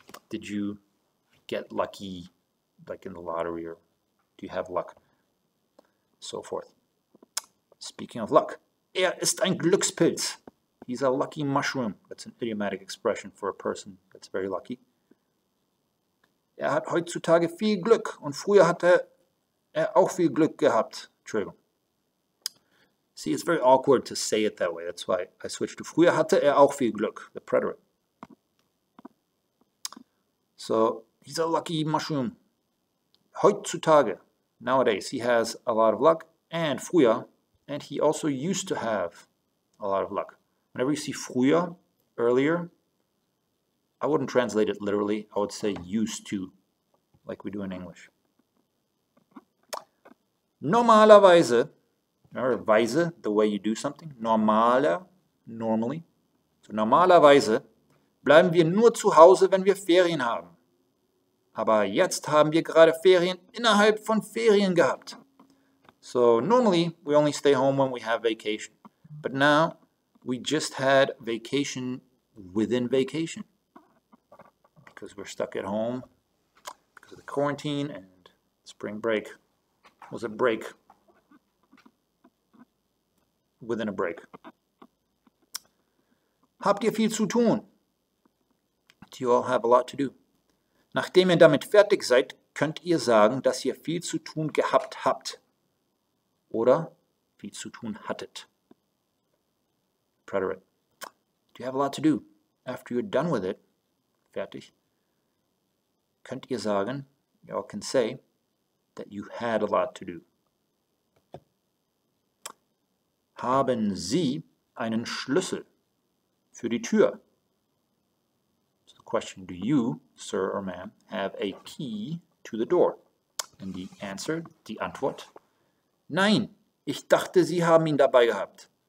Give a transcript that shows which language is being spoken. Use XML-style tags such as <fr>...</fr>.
<en>Did you get lucky, like in the lottery, or do you have luck? So forth. Speaking of luck,</en> <de>ist ein Glückspilz.</de> <en>He's a lucky mushroom. That's an idiomatic expression for a person that's very lucky.</en> <de>Hat heutzutage viel Glück und früher hatte auch viel Glück gehabt.</de> <en>True. See, it's very awkward to say it that way. That's why I switched to</en> <de>früher hatte auch viel Glück.</de> <en>The preterite. So, he's a lucky mushroom. Heutzutage. Nowadays, he has a lot of luck.</en> <de>And früher.</de> <en>And he also used to have a lot of luck. Whenever you see früher, earlier, I wouldn't translate it literally. I would say used to, like we do in English.</en> <de>Normalerweise,</de> <en>remember, weise, the way you do something,</en> <de>normaler,</de> <en>normally.</en> <de>So normalerweise bleiben wir nur zu Hause, wenn wir Ferien haben. Aber jetzt haben wir gerade Ferien innerhalb von Ferien gehabt.</de> <en>So normally, we only stay home when we have vacation. But now, we just had vacation within vacation. Because we're stuck at home because of the quarantine and spring break was a break within a break.</en> <de>Habt ihr viel zu tun?</de> <en>Do you all have a lot to do?</en> <de>Nachdem ihr damit fertig seid, könnt ihr sagen, dass ihr viel zu tun gehabt habt oder viel zu tun hattet.</de> <en>Preterite. Do you have a lot to do? After you're done with it,</en> <de>fertig, könnt ihr sagen,</de> <en>you all can say, that you had a lot to do.</en> <de>Haben Sie einen Schlüssel für die Tür?</de> <en>So the question, do you, sir or ma'am, have a key to the door? And the answer,</en> <de>die Antwort, nein, ich dachte, Sie haben ihn dabei gehabt.</de>